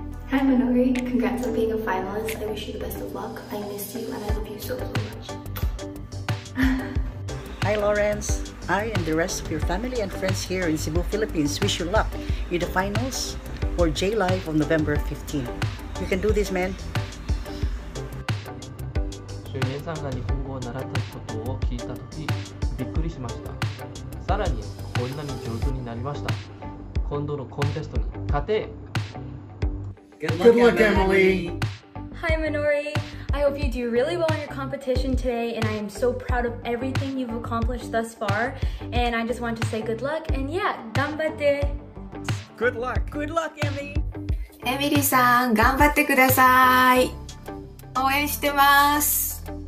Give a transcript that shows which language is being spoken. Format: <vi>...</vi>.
<en>Hi, Minori. Congrats on being a finalist. I wish you the best of luck. I miss you and I love you so, so much. Hi, Lawrence. I and the rest of your family and friends here in Cebu, Philippines wish you luck in the finals for J Live on November 15. You can do this, man.</en> <ja>皆さんが日本語を習ったことを聞いたとき、びっくりしました。さらに、こんなに上手になりました。今度のコンテストに勝て。</ja> <en>Good luck, Emily! Hi, Minori! I hope you do really well in your competition today, and I am so proud of everything you've accomplished thus far. And I just want to say good luck, and yeah,</en> <ja>頑張って!</ja> <en>Good luck! Good luck, Emily!</en> <ja>Emily さん、頑張ってください!応援してます!</ja>